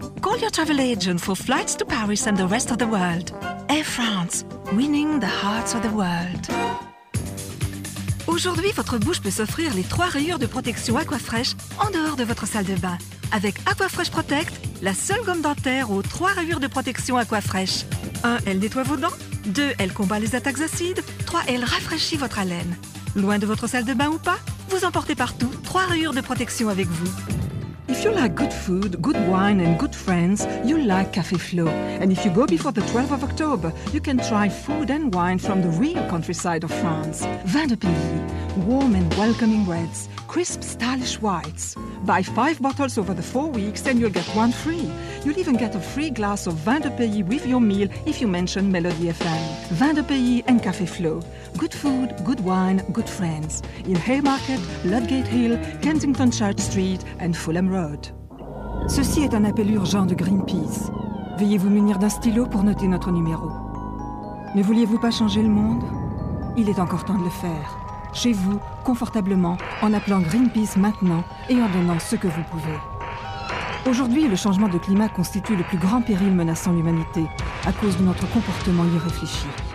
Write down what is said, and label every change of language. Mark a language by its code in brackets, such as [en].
[en] Call your travel agent for flights to Paris and the rest of the world. Air France, winning the hearts of the world. [fr] Aujourd'hui, votre bouche peut s'offrir les trois rayures de protection Aquafresh en dehors de votre salle de bain. Avec Aquafresh Protect, la seule gomme dentaire aux trois rayures de protection Aquafresh. 1. Elle nettoie vos dents. 2. Elle combat les attaques acides. 3. Elle rafraîchit votre haleine. Loin de votre salle de bain ou pas, vous emportez partout trois rayures de protection avec vous. [en] If you like good food, good wine and good friends, you like Café Flow. And if you go before the 12th of October, you can try food and wine from the real countryside of France. Vin de pays, warm and welcoming reds, crisp stylish whites. Buy 5 bottles over the 4 weeks and you'll get one free. You'll even get a free glass of vin de pays with your meal if you mention Melody FM. Vin de pays and Café Flow. Good food, good wine, good friends. In Haymarket, Ludgate Hill, Kensington Church Street and Fulham Road. [fr] Ceci est un appel urgent de Greenpeace. Veuillez vous munir d'un stylo pour noter notre numéro. Ne vouliez-vous pas changer le monde? Il est encore temps de le faire. Chez vous, confortablement, en appelant Greenpeace maintenant et en donnant ce que vous pouvez. Aujourd'hui, le changement de climat constitue le plus grand péril menaçant l'humanité à cause de notre comportement irréfléchi.